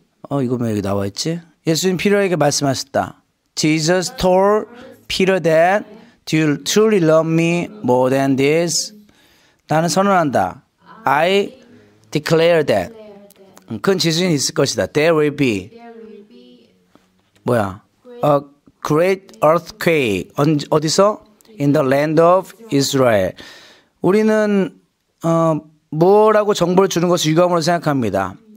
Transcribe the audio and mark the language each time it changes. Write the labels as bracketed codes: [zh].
[ko] 어 이거 왜 여기 나와 있지? 예수님 피터에게 말씀하셨다. [en] Jesus told Peter that Do you truly love me more than this? [ko] 나는 선언한다. [en] I declare that. [ko] 그건 지진이 있을 것이다. [en] There will be. [ko] 뭐야? [en] A great earthquake. [ko] 어디서? [en] In the land of Israel. [ko] 우리는 뭐라고 정보를 주는 것을 유감으로 생각합니다.